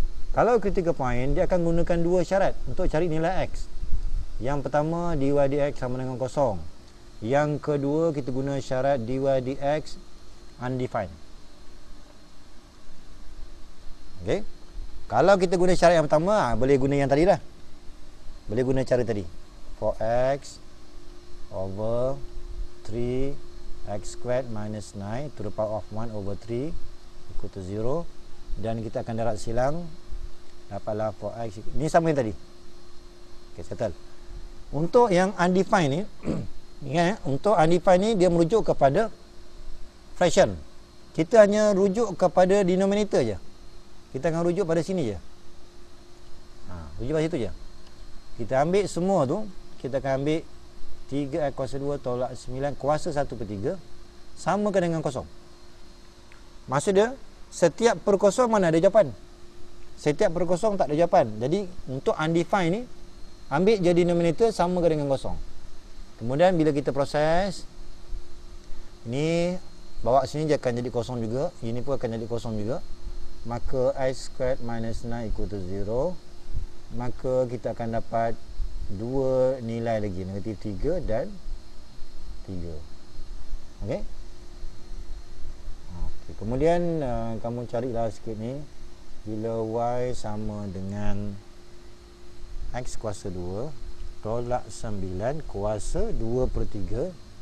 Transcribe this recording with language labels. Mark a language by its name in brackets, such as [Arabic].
[Malay] Kalau critical point, dia akan gunakan dua syarat untuk cari nilai X. Yang pertama, dy dx sama dengan kosong. Yang kedua, kita guna syarat dy dx undefined. Okay. Kalau kita guna syarat yang pertama, boleh guna yang tadi lah. Boleh guna cara tadi. [English] For x over 3 x squared minus 9 to the power of 1/3 equal to 0. [Malay] Dan kita akan darat silang. Dapatlah [English] for x. [Malay] Ni sama yang tadi. Okay, settle. Untuk yang undefined ni, ingat, untuk undefined ni dia merujuk kepada fraction. Kita hanya rujuk kepada denominator je. Kita akan rujuk pada sini je. Ha, rujuk pada situ je. Kita ambil semua tu. Kita akan ambil 3x kuasa 2 tolak 9 kuasa 1/3. Samakan dengan kosong. Maksud dia, setiap perkosong mana ada jawapan? Setiap perkosong tak ada jawapan. Jadi, untuk undefined ni, ambil je denominator samakan dengan kosong. Kemudian, bila kita proses, ni bawa sini je akan jadi kosong juga. Ini pun akan jadi kosong juga. [English] Maka x squared minus 9 equal to 0. [Malay] Maka kita akan dapat dua nilai lagi, negatif 3 dan 3. Okey. Okay. Kemudian kamu carilah sikit ni. Bila y sama dengan x kuasa 2 tolak 9 kuasa 2/3.